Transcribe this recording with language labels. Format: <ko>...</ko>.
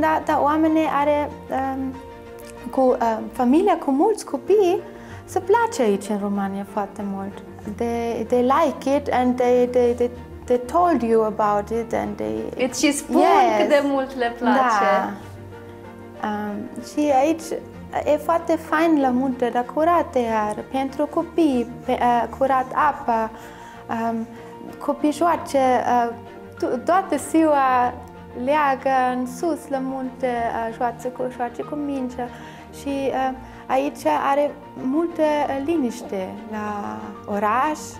<ro>da, oamenii are cu familia, cu mulți copii, se place aici în România foarte mult.</ro> <en>They like it and they told you about it and they...</en> <ro>Îți spun cât de mult le place. Da. Și aici e foarte fain la munte, dar curat iar, pentru copii, curat apa, copii joace, toată ziua leagă în sus la munte, joace cu mingea și aici are multă liniște la oraș.</ro>